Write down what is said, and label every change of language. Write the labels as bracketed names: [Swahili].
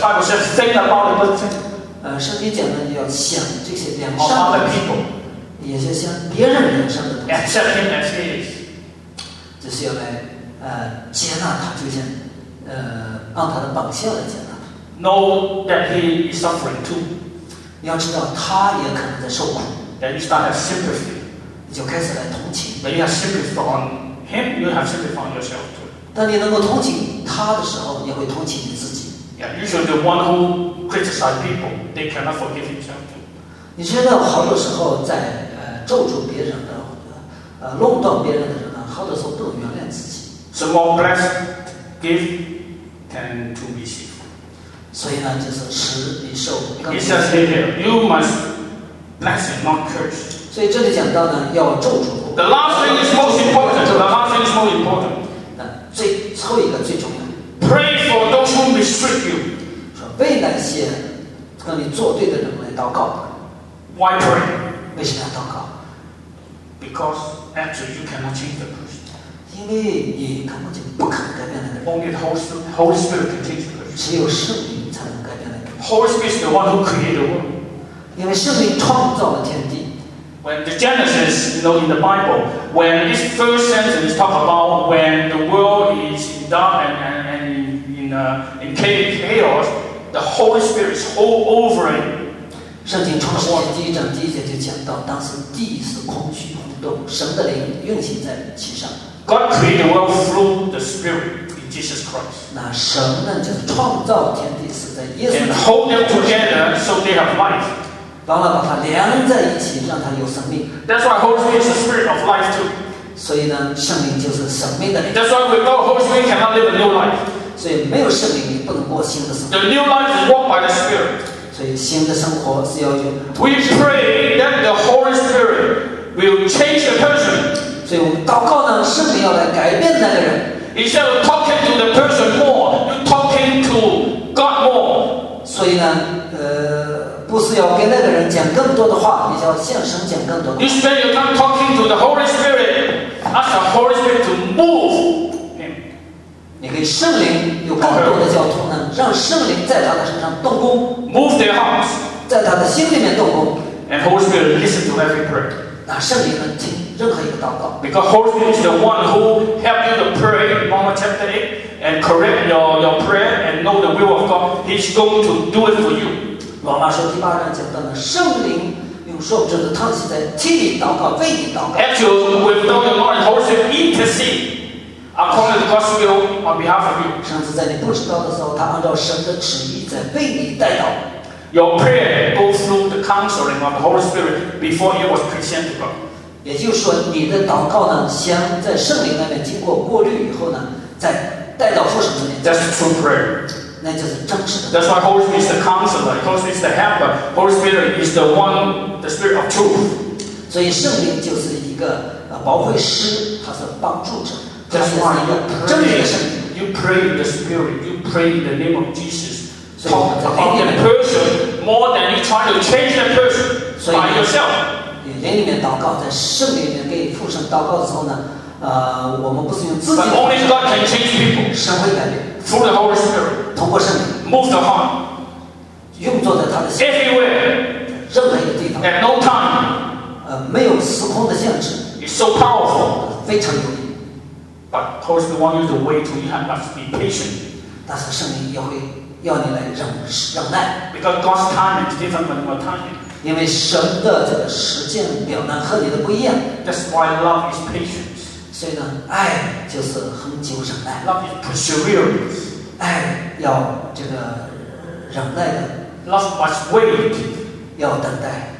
[English] The Bible says, think about the good things. [Chinese] 圣经讲的你要想这些良善。 [English] Of other people. [Chinese] 也就像别人良善的东西。 [English] Accept him as he is. [Chinese] 就是要来接纳他，就像按他的榜样来接纳他。 [English] Know that he is suffering too. [Chinese] 你要知道，他也可能在受苦。 [English] Then you start have sympathy. [Chinese] 你就开始来同情。 [English] When you have sympathy for him, you have sympathy for yourself too. [Chinese] 当你能够同情他的时候，你会同情你自己。 [English] Yeah, usually the one who criticize people, they cannot forgive himself. [Chinese] 你觉得好多时候在咒诅别人的弄断别人的人呢，好多时候不能原谅自己。 [English] So more blessed give than to receive. [Chinese] 所以呢，就是施比受更。 [English] It says here, you must bless and not curse. [Chinese] 所以这里讲到呢，要咒诅。 [English] The last thing is most important. The last thing is most important. [Chinese] 最后一个最重要。 [English] Pray for those who mistreat you. [Chinese] 说为那些跟你作对的人来祷告。 [English] Why pray? [Chinese] 为什么要祷告 [English] ？Because actually you cannot change the person. [Chinese] 因为你根本就不可能改变那个人。 [English] Only the Holy Spirit can change the person. [Chinese] 只有圣灵才能改变那个人。 [English] Holy Spirit is the one who created the world. [Chinese] 因为圣灵创造了天地。 [English] When the Genesis, you know, in the Bible, when this first sentence is talking about when the world is in dark and in chaos, the Holy Spirit is all over it. [Chinese] 圣经创世记第一章第一节就讲到，当时地是空虚无动，神的灵运行在其上。 [English] God created the world through the Spirit in Jesus Christ. [Chinese] 那神呢，就是创造天地是在耶稣。 [English] And hold them together so they have life. [Chinese] 帮他把它连在一起，让它有生命。 [English] That's why Holy Spirit is the spirit of life too. [Chinese] 所以呢，圣灵就是生命的灵。 [English] That's why without Holy Spirit cannot live a new life. [Chinese] 所以没有圣灵，你不能过新的生活。 [English] The new life is walked by the Spirit. [Chinese] 所以新的生活是要有。 [English] We pray that the Holy Spirit will change the person. [Chinese] 所以我们祷告呢，圣灵要来改变那个人。 [English] Instead of talking to the person more, you talking to God more. [Chinese] 所以呢，不是要跟那个人讲更多的话，你要向神讲更多的话。 [English] You spend your time talking to the Holy Spirit, ask the Holy Spirit to move him. [Chinese] 你给圣灵有更多的交通呢，让圣灵在他的身上动工。 [English] Move their hearts, [Chinese] 在他的心里面动工。 [English] And Holy Spirit listen to every prayer. [Chinese] 那圣灵能听任何一个祷告。 [English] Because Holy Spirit is the one who help you to pray in Romans chapter 8 and correct your prayer and know the will of God. He's going to do it for you. [Chinese] 罗马书第八章讲到呢，圣灵用受者的叹息在替你祷告，为你祷告。 [English] Actually, without the Lord, Holy Spirit intercede according to God's will on behalf of you. [Chinese] 甚至在你不知道的时候，他按照神的旨意在为你代祷。 [English] Your prayer goes through the counseling of the Holy Spirit before it was presented to God. [Chinese] 也就是说，你的祷告呢，先在圣灵那边经过过滤以后呢，再带到父神那边。 [English] That's true prayer. That's why Holy Spirit is the counselor. Holy Spirit is the helper. Holy Spirit is the one, the Spirit of truth. [Chinese] 所以圣灵就是一个保惠师，他是帮助者。 [English] That's why you pray. You pray in the Spirit. You pray in the name of Jesus. Talk about the person more than you try to change the person by yourself. [Chinese] 你灵里面祷告，在圣灵里面给父神祷告的时候呢，我们不是用自己。 [English] But only God can change people. [Chinese] 神会改变。 [English] Through the Holy Spirit. [Chinese] 通过圣灵 [English] ，move the heart， [Chinese] 运作在他的心 [English] ，everywhere， [Chinese] 任何一个地方 [English] ，at no time， [Chinese] 没有时空的限制 [English] ，it's so powerful， [Chinese] 非常有力。 [English] But Holy Spirit wants you to wait till you have to be patient。 [Chinese] 但是圣灵也会要你来忍耐 [English] ，because God's time is different from your time。 [Chinese] 因为神的这个时间表呢和你的不一样。 [English] That's why love is patience。 [Chinese] 所以呢，爱就是恒久忍耐。 [English] Love is perseverance。 [Chinese] 爱要这个忍耐的 [English] ，Love must wait， [Chinese] 要等待。